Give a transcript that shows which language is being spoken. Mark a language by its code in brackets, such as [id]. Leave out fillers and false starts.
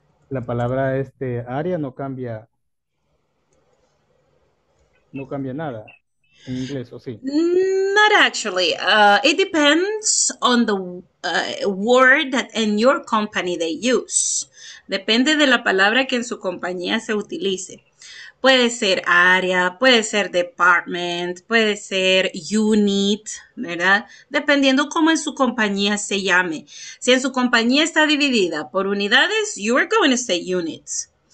[es] la palabra área no cambia nada en inglés, ¿o sí? [en] Not actually. It depends on the word that in your company they use. [es] Depende de la palabra que en su compañía se utilice. Puede ser área, puede ser department, puede ser unit, ¿verdad? Dependiendo cómo en su compañía se llame. Si en su compañía está dividida por unidades, [en] you are going to say units.